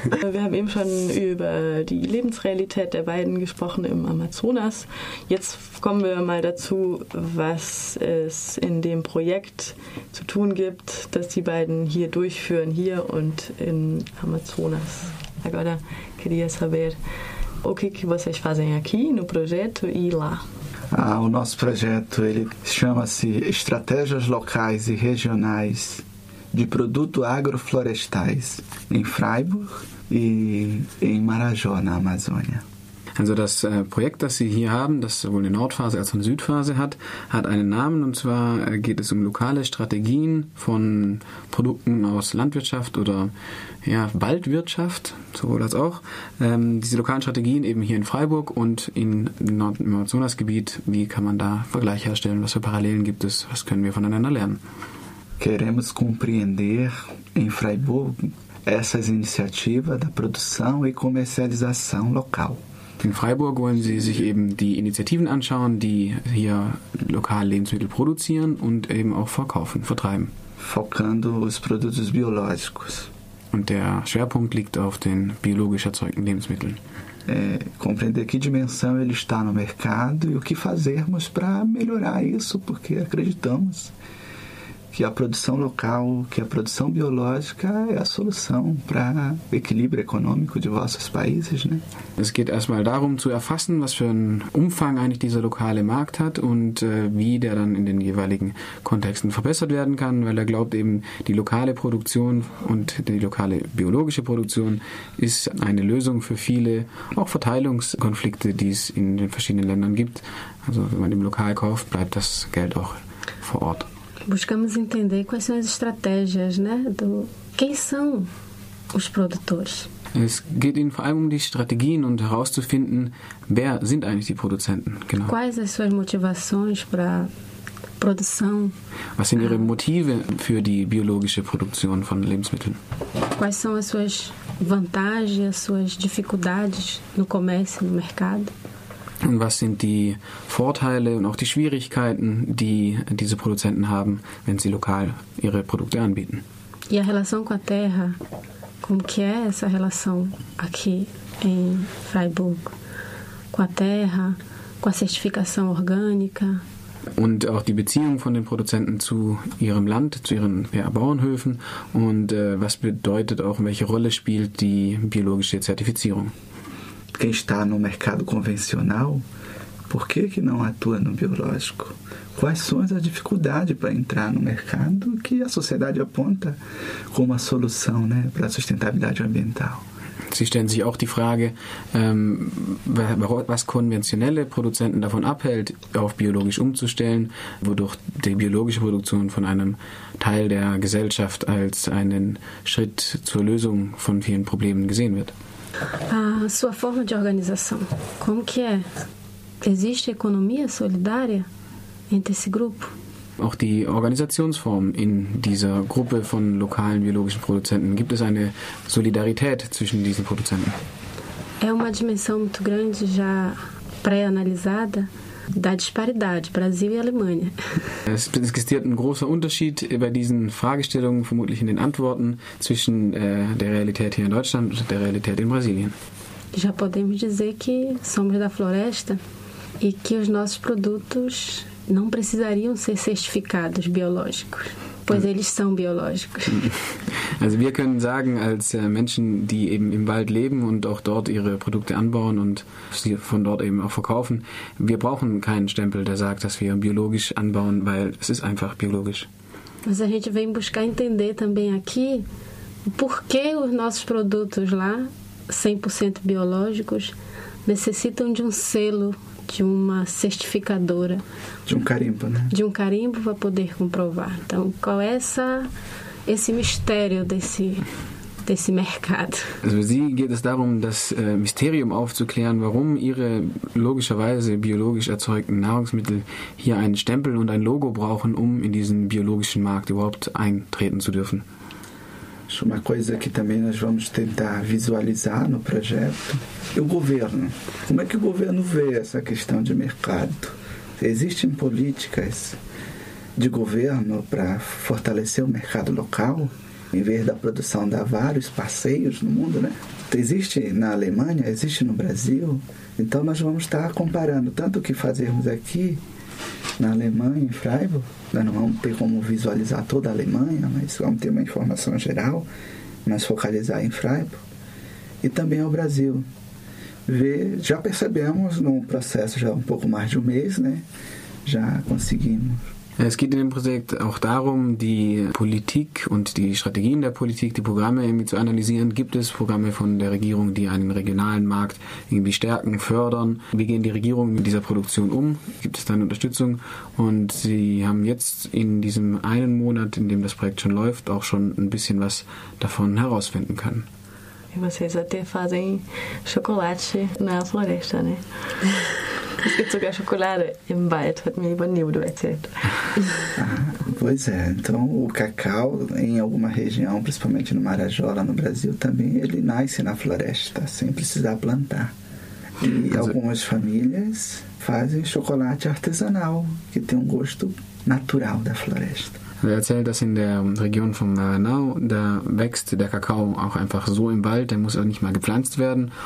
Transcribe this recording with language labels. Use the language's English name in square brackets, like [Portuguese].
[German] Wir haben eben schon über die Lebensrealität der beiden gesprochen im Amazonas. Jetzt kommen wir mal dazu, was es in dem Projekt zu tun gibt, das die beiden hier durchführen, hier und in Amazonas. [Portuguese] Agora queria saber o que vocês fazem aqui no projeto e lá. O nosso projeto ele chama-se Estratégias Locais e Regionais de Produtos Agroflorestais em Freiburg e em Marajó, na Amazônia. [German] Also das Projekt, das Sie hier haben, das sowohl eine Nordphase als auch eine Südphase hat, hat einen Namen, und zwar geht es um lokale Strategien von Produkten aus Landwirtschaft oder ja, Waldwirtschaft, sowohl als auch. Diese lokalen Strategien eben hier in Freiburg und in im Amazonasgebiet, wie kann man da Vergleich herstellen, was für Parallelen gibt es, was können wir voneinander lernen? [Portuguese] Queremos compreender in Freiburg essas iniciativas da produção e comercialização local. [German] In Freiburg wollen Sie sich eben die Initiativen anschauen, die hier lokal Lebensmittel produzieren und eben auch verkaufen, vertreiben. [Portuguese] Focando os produtos biológicos. [German] Und der Schwerpunkt liegt auf den biologisch erzeugten Lebensmitteln. [Portuguese] Compreender que dimensão ele está no mercado e o que fazermos para melhorar isso, porque acreditamos que a produção local, que a produção biológica é a solução para o equilíbrio econômico de vossos países, né? [German] Es geht erstmal darum zu erfassen, was für einen Umfang eigentlich dieser lokale Markt hat und wie der dann in den jeweiligen Kontexten verbessert werden kann, weil er glaubt eben, die lokale Produktion und die lokale biologische Produktion ist eine Lösung für viele auch Verteilungskonflikte, die es in den verschiedenen Ländern gibt. Also wenn man im Lokal kauft, bleibt das Geld auch vor Ort. [Portuguese] Buscamos entender quais são as estratégias, né? Do quem são os produtores. [German] Es geht ihnen vor allem die Strategien und herauszufinden, wer sind eigentlich die Produzenten, genau. [Portuguese] Quais as suas motivações para produção? [German] Was sind ihre Motive für die biologische Produktion von Lebensmitteln? [Portuguese] Quais são as suas vantagens, as suas dificuldades no comércio, no mercado? [German] Und was sind die Vorteile und auch die Schwierigkeiten, die diese Produzenten haben, wenn sie lokal ihre Produkte anbieten? [Portuguese] E a relação com a terra, como que é essa relação aqui em Freiburg? Com a terra, com a certificação orgânica? [German] Und auch die Beziehung von den Produzenten zu ihrem Land, zu ihren Bauernhöfen. Und was bedeutet auch, welche Rolle spielt die biologische Zertifizierung? [Portuguese] Quem está no mercado convencional, por que que não atua no biológico? Quais são as dificuldades para entrar no mercado que a sociedade aponta como a solução, né, para a sustentabilidade ambiental? [German] Sie stellen sich auch die Frage, was konventionelle Produzenten davon abhält, auf biologisch umzustellen, wodurch die biologische Produktion von einem Teil der Gesellschaft als einen Schritt zur Lösung von vielen Problemen gesehen wird. [Portuguese] A sua forma de organização, como que é? Existe economia solidária entre esse grupo? [German] Auch die Organisationsform in dieser Gruppe von lokalen biologischen Produzenten, gibt es eine Solidarität zwischen diesen Produzenten? [Portuguese] É uma dimensão muito grande já pré-analisada da disparidade Brasil e Alemanha. [German] Es existiert ein großer Unterschied bei diesen Fragestellungen, vermutlich in den Antworten, zwischen der Realität hier in Deutschland und der Realität in Brasilien. [Portuguese] Já podemos dizer que somos da floresta e que os nossos produtos não precisariam ser certificados biológicos. Pois eles são biológicos. [German] Also wir können sagen, als Menschen, die eben im Wald leben und auch dort ihre Produkte anbauen und sie von dort eben auch verkaufen, wir brauchen keinen Stempel, der sagt, dass wir biologisch anbauen, weil es ist einfach biologisch. [Portuguese] Mas a gente vem buscar entender também aqui por que os nossos produtos lá, 100% biológicos, necessitam de um selo, de uma certificadora. De carimbo, né? De carimbo para poder comprovar. Então, qual é esse mistério desse mercado? [German] Also, für Sie geht es darum, das Mysterium aufzuklären, warum Ihre logischerweise biologisch erzeugten Nahrungsmittel hier einen Stempel und ein Logo brauchen, um in diesen biologischen Markt überhaupt eintreten zu dürfen. [Portuguese] acho uma coisa que também nós vamos tentar visualizar no projeto. E o governo? Como é que o governo vê essa questão de mercado? Existem políticas de governo para fortalecer o mercado local, em vez da produção dar vários passeios no mundo, né? Existe na Alemanha, existe no Brasil. Então nós vamos estar comparando tanto o que fazemos aqui na Alemanha, em Freiburg. Nós não vamos ter como visualizar toda a Alemanha, mas vamos ter uma informação geral, mas focalizar em Freiburg. E também ao Brasil. Já percebemos num processo já um pouco mais de um mês, né? Já conseguimos. [German] Es geht in dem Projekt auch darum, die Politik und die Strategien der Politik, die Programme irgendwie zu analysieren. Gibt es Programme von der Regierung, die einen regionalen Markt irgendwie stärken, fördern? Wie gehen die Regierungen mit dieser Produktion um? Gibt es da eine Unterstützung? Und Sie haben jetzt in diesem einen Monat, in dem das Projekt schon läuft, auch schon ein bisschen was davon herausfinden können. [Portuguese] E vocês até fazem chocolate na floresta, né? [German] Es gibt sogar Schokolade im Wald, hat mir Ivanildo erzählt. [Portuguese] Pois é, então o cacau em alguma região, principalmente no Marajó, lá no Brasil, também ele nasce na floresta, sem precisar plantar. E algumas famílias fazem chocolate artesanal, que tem um gosto natural da floresta. [German] Er erzählt, dass in der Region von Maranao, da wächst der Kakao auch einfach so im Wald, der muss auch nicht mal gepflanzt werden.